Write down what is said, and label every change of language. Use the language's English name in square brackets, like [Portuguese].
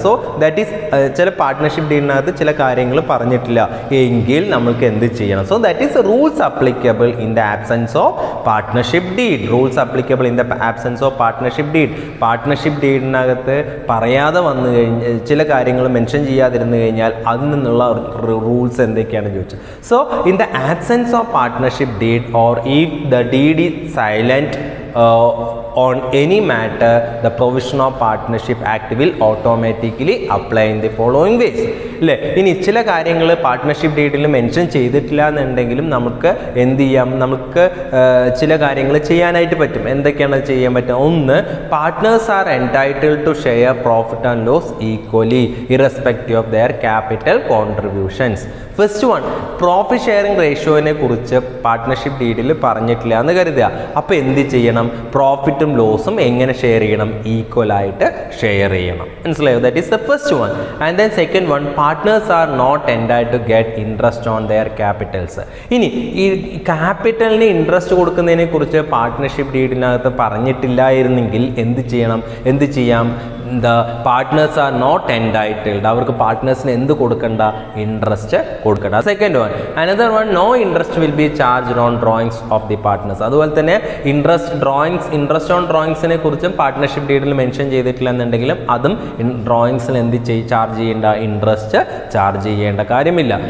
[English] so that is [Malayalam] ചില partnership ഡീഡിനകത്ത് ചില കാര്യങ്ങൾ പറഞ്ഞിട്ടില്ല എങ്കിൽ നമ്മൾക്ക് എന്ത് ചെയ്യണം. [English] So that is rules applicable in the absence of partnership deed. Rules applicable in the absence of partnership deed. [Malayalam] Partnership ഡീഡിനകത്ത് പറയാതെ വന്നു കഴിഞ്ഞ ചില കാര്യങ്ങൾ മെൻഷൻ ചെയ്യാതിരുന്നു കഴിഞ്ഞാൽ അതിൽ നിന്നുള്ള റൂൾസ് എന്തൊക്കെയാണെന്ന് ചോദിച്ചത്. [English] So in the absence of partnership deed or if the deed is silent on any matter, the provision of partnership act will automatically apply in the following ways. [Malayalam] ഇല്ലേ, ഇനി ചില കാര്യങ്ങൾ പാർട്ട്ണർഷിപ്പ് ഡീഡിൽ മെൻഷൻ ചെയ്തിട്ടില്ല എന്നുണ്ടെങ്കിലും നമുക്ക് എന്ത് ചെയ്യാം, നമുക്ക് ചില കാര്യങ്ങൾ ചെയ്യാനായിട്ട് പറ്റും. എന്തൊക്കെയാണ് ചെയ്യാൻ പറ്റുക? [English] ഒന്ന്, partners are entitled to share profit and loss equally irrespective of their capital contributions. [Malayalam] First one, profit sharing റേഷ്യോവിനെ കുറിച്ച് പാർട്ട്ണർഷിപ്പ് ഡീഡിൽ പറഞ്ഞിട്ടില്ല എന്ന് കരുതുക. അപ്പോൾ എന്ത് ചെയ്യണം, പ്രോഫിറ്റും ലോസും എങ്ങനെ ഷെയർ ചെയ്യണം, ഈക്വലായിട്ട് ഷെയർ ചെയ്യണം. മനസ്സിലായോ? [English] That is the first one. And then second one, partners are not entitled to get interest on their capitals. [Malayalam] ഇനി ഈ ക്യാപിറ്റലിന് ഇൻട്രസ്റ്റ് കൊടുക്കുന്നതിനെ കുറിച്ച് പാർട്ട്ണർഷിപ്പ് ഡീഡിനകത്ത് പറഞ്ഞിട്ടില്ലായിരുന്നെങ്കിൽ എന്ത് ചെയ്യണം, എന്ത് ചെയ്യാം? [English] The partners are not entitled. [Malayalam] അവർക്ക് പാർട്ട്നേഴ്സിന് എന്ത് കൊടുക്കണ്ട, ഇൻട്രസ്റ്റ് കൊടുക്കണ്ട. [English] Second one, another one, no interest will be charge on drawings of the partners. [Malayalam] അതുപോലെ തന്നെ ഇൻട്രസ്റ്റ് ഓൺ ഡ്രോയിങ്സിനെ കുറിച്ചും പാർട്ട്ണർഷിപ്പ് ഡീഡിൽ മെൻഷൻ ചെയ്തിട്ടില്ല എന്നുണ്ടെങ്കിലും അതും ഡ്രോയിങ്സിന് എന്ത് ചാർജ് ചെയ്യേണ്ട, ഇൻട്രസ്റ്റ് ചാർജ് ചെയ്യേണ്ട കാര്യമില്ല.